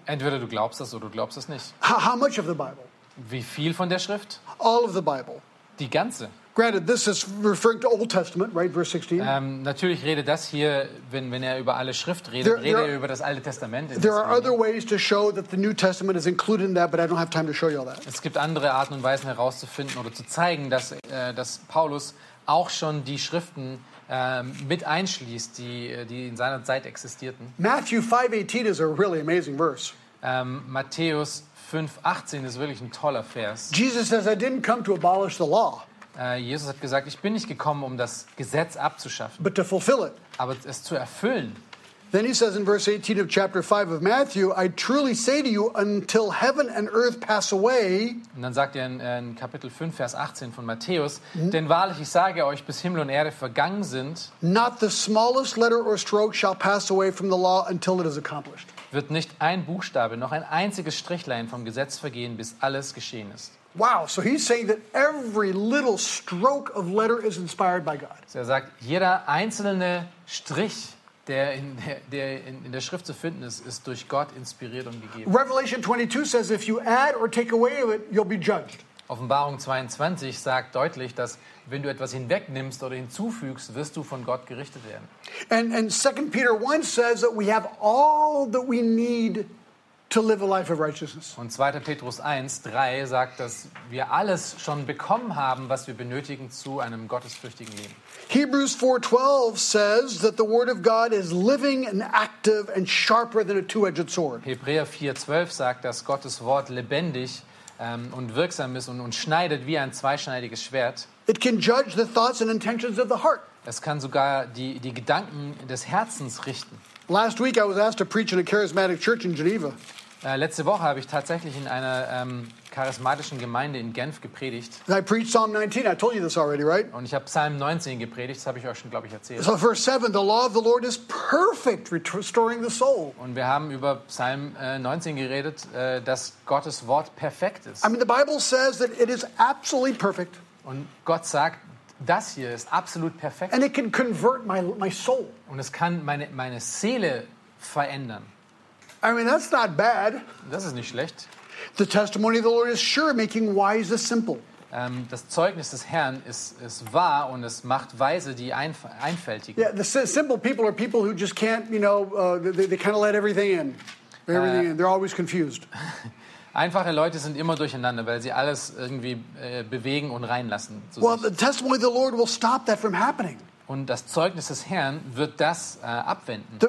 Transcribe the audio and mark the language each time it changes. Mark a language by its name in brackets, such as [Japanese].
[German] Entweder du glaubst das oder du glaubst es nicht. [English] How much of the Bible? [German] Wie viel von der Schrift? [English] All of the Bible. [German] Die ganze. [English] Granted, this is referring to Old Testament, right? Verse 16. [German] Natürlich redet das hier, wenn er über alle Schrift redet, redet er über das Alte Testament. [English] There are other ways to show that the New Testament is included in that, but I don't have time to show you all that. [German] Es gibt andere Arten und Weisen herauszufinden oder zu zeigen, dass Paulus auch schon die Schriften mit einschließt, die in seiner Zeit existierten. [English] Matthew 5:18 is a really amazing verse. [German] Matthäus 5:18 ist wirklich ein toller Vers. [English] Jesus says, "I didn't come to abolish the law." [German] Jesus hat gesagt, ich bin nicht gekommen, um das Gesetz abzuschaffen, [English] but to fulfill it. [German] Aber es zu erfüllen. [English] Then he says in verse 18 of chapter 5 of Matthew, "I truly say to you, until heaven and earth pass away." [German] Und dann sagt er in Kapitel 5, Vers 18 von Matthäus, denn wahrlich, ich sage euch, bis Himmel und Erde vergangen sind, [English] not the smallest letter or stroke shall pass away from the law until it is accomplished. [German] Wird nicht ein Buchstabe, noch ein einziges Strichlein vom Gesetz vergehen, bis alles geschehen ist. [English] Wow, so he's saying that every little stroke of letter is inspired by God. [German] Er sagt, jeder einzelne Strich, der in der Schrift zu finden ist, ist durch Gott inspiriert und gegeben. [English] Revelation 22 says if you add or take away of it, you'll be judged. [German] Offenbarung 22 sagt deutlich, dass wenn du etwas hinwegnimmst oder hinzufügst, wirst du von Gott gerichtet werden. [English] And 2 Peter 1 says that we have all that we need to live a life of righteousness. [German] Und 2. Petrus 1:3 sagt, dass wir alles schon bekommen haben, was wir benötigen zu einem gottesfürchtigen Leben. [English] Hebrews 4:12 says that the word of God is living and active and sharper than a two-edged sword. [German] Hebräer 4:12 sagt, dass Gottes Wort lebendig und wirksam ist und schneidet wie ein zweischneidiges Schwert. [English] It can judge the thoughts and intentions of the heart. [German] Es kann sogar die Gedanken des Herzens richten. [English] Last week I was asked to preach in a charismatic church in Geneva. [German] Letzte Woche habe ich tatsächlich in einer charismatischen Gemeinde in Genf gepredigt. [English] I preached Psalm 19. I told you this already, right? [German] Und ich habe Psalm 19 gepredigt. Das habe ich euch schon, glaube ich, erzählt. [English] So verse 7, the law of the Lord is perfect, restoring the soul. [German] Und wir haben über Psalm 19 geredet, dass Gottes Wort perfekt ist. [English] I mean, the Bible says that it is absolutely perfect. [German] Und Gott sagt, das hier ist absolut perfekt. [English] And it can convert my soul. [German] Und es kann meine Seele verändern. [English] I mean, that's not bad. [German] Das ist nicht schlecht. [English] The testimony of the Lord is sure, making wise the simple. [German] Das Zeugnis des Herrn ist wahr und es macht weise die Einfältigen. [English] Yeah, the simple people are people who just can't, you know, they kind of let everything in. They're always confused. [German] Einfache Leute sind immer durcheinander, weil sie alles irgendwie bewegen und reinlassen. [English] Well, the testimony of the Lord will stop that from happening. [German] Und das Zeugnis des Herrn wird das abwenden.